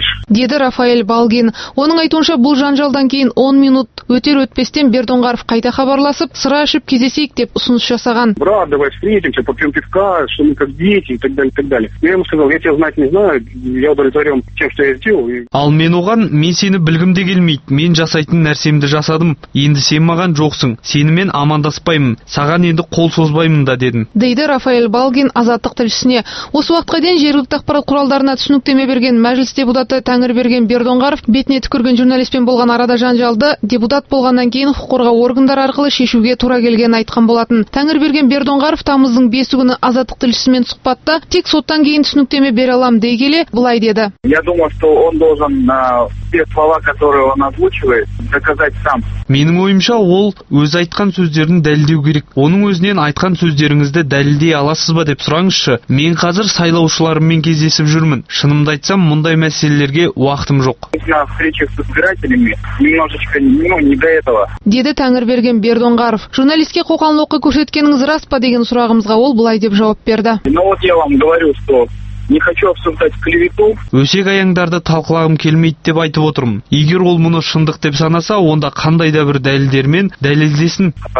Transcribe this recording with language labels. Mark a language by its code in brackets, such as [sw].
[kk] Деді Рафаэль Балгин. Оның айтуынша, бұл жанжалдан кейін 10 минут өтер кетпестен Бердоңғаров қайта хабарласып, сыра ішіп кездесейік деп ұсыныс жасаған. [ru] Брат, давай встретимся, попьем пивка, что мы как дети и так далее, так далее. Я ему сказал, я тебя знать не знаю, я удовлетворен тем, что я сделал. [kk] Ал мен оған, мен сені білгім де келмейді, мен жасайтын нәрсемді жасадым, енді сен маған жоқсың, сенімен амандаспаймын, саған енді қол созбаймын да дедім. Дейді Рафаэль Балгин азаттық тілшісіне. Осы уақытқа дейін жергілікті ақпарат құралдарына түсініктеме берген мәжіліс депутаты Тәңірберген Бердоңғаров бетіне түкірген журналистпен болған арада жанжалды депутат болғаннан кейін құқық қорғау органдары арқылы шешуге тура келгенін айтқан болатын. Тәңірберген Бердоңғаров тамыздың 5 күні азаттық тілшісімен сұхбатта тек соттан кейін түсініктеме бере алам дей келе былай деді. [ru] Я думаю, что он должен те слова, которые он озвучивает, доказать сам. [kk] Менің ойымша ол өз айтқан сөздерін дәлелдеу керек. Оның өзінен айтқан сөздеріңізді дәлелдей аласыз ба деп сұраңызшы. Мен қазір сайлаушылармен кездесіп жүрмін. Шынымды айтсам, мұндай мәселелерге уақытым жоқ. [ru] Я встречаюсь с избирателями, немножечко, не до этого. [kk] Деді Тәңірберген Бердоңғаров. Журналистке қоқан лоққы көрсеткеніңіз рас па деген сұрағымызға ол бұлай деп жауап берді. [ru] Ну вот я вам говорю, что не хочу обсуждать клевету. [kk] Өсек аяңдарды талқылағым келмейді деп айтып отырмын. Егер ол мұны шындық деп санаса, онда қандай да бір дәлелдермен дәлелдесін.